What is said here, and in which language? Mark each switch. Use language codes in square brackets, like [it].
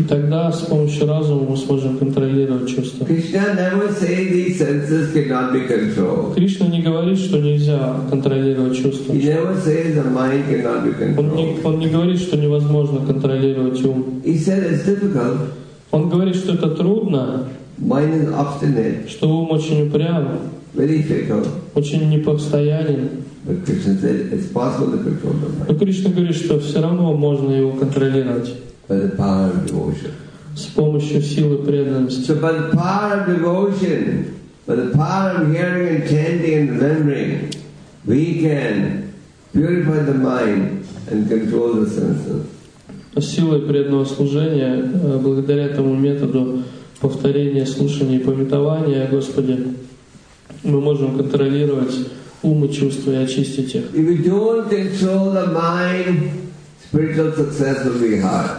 [ru] И тогда с помощью разума мы сможем контролировать чувства. [en] Krishna never says these senses cannot be controlled. [ru] Кришна не говорит, что нельзя контролировать чувства. [en] He never says the mind cannot be controlled. [ru] Он не говорит, что невозможно контролировать ум. [en] He said it's difficult. [ru] Он говорит, что это трудно. [en] Mind is obstinate. [ru] Что ум очень упрям. [en] Very fickle. [ru] Очень непостоянен. [en] But Krishna said it's possible to control the mind. [ru] Но Кришна говорит, что все равно можно его контролировать. [en] By the power of devotion. [ru] С помощью силы преданности. [en] So by the power of devotion, by the power of hearing and chanting and remembering, we can purify the mind and control the senses. [ru] Силой преданного служения, благодаря этому методу повторения, слушания и памятования о Господе, мы можем контролировать ум и чувства и очистить их. [en] If we don't control the mind, spiritual success will be hard.